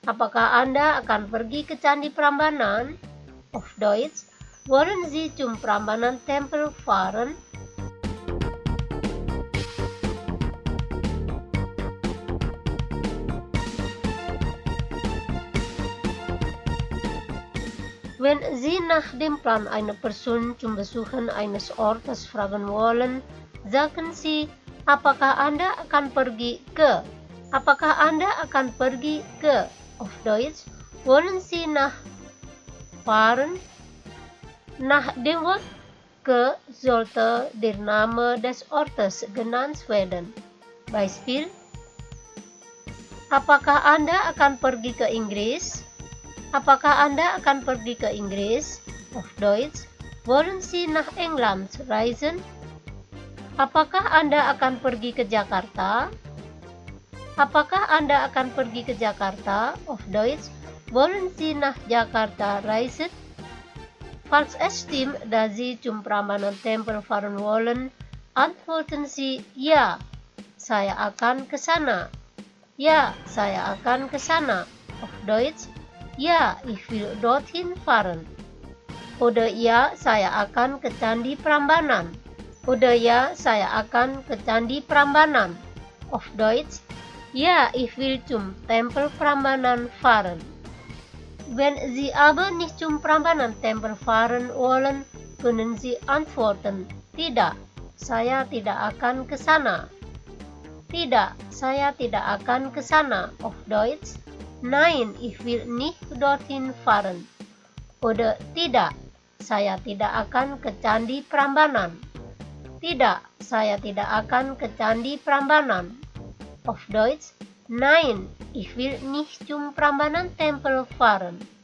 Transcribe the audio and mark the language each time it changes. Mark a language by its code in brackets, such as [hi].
[id] Apakah Anda akan pergi ke Candi Prambanan? [de] Auf Deutsch, wollen Sie zum Prambanan Tempel fahren? Wenn Sie nach dem Plan einer Person zum Besuchen eines Ortes fragen wollen, sagen Sie, [id] apakah Anda akan pergi ke? Apakah Anda akan pergi ke? [de] Auf Deutsch, wollen Sie nach fahren? Nach dem Wort ke sollte der Name des Ortes genannt werden. Beispiel: [id] Apakah Anda akan pergi ke Inggris? Apakah Anda akan pergi ke Inggris? [de] Auf Deutsch: Wollen Sie nach England reisen? [id] Apakah Anda akan pergi ke Jakarta? Apakah Anda akan pergi ke Jakarta? [de] Auf Deutsch: Wollen Sie nach Jakarta reisen? Falls es stimmt, dass Sie zum Prambanan Tempel fahren wollen, antworten Sie, [id] ja, saya akan ke sana. Ja, saya akan ke sana. [de] Auf Deutsch, ja, ich will dorthin fahren. [id] Oder ja, saya akan ke Candi Prambanan. Oder ya, saya akan ke Candi Prambanan. [de] Auf Deutsch, ja, ich will zum Tempel Prambanan fahren. Wenn Sie aber nicht zum Prambanan Tempel fahren wollen, können Sie antworten, [id] tidak, saya tidak akan ke sana. Tidak, saya tidak akan ke sana. [de] Auf Deutsch, nein, ich will nicht dorthin fahren. [id] Oder tidak, saya tidak akan ke Candi Prambanan. Tidak, saya tidak akan ke Candi Prambanan. [de] Auf Deutsch, nein, ich will nicht zum Prambanan Tempel fahren.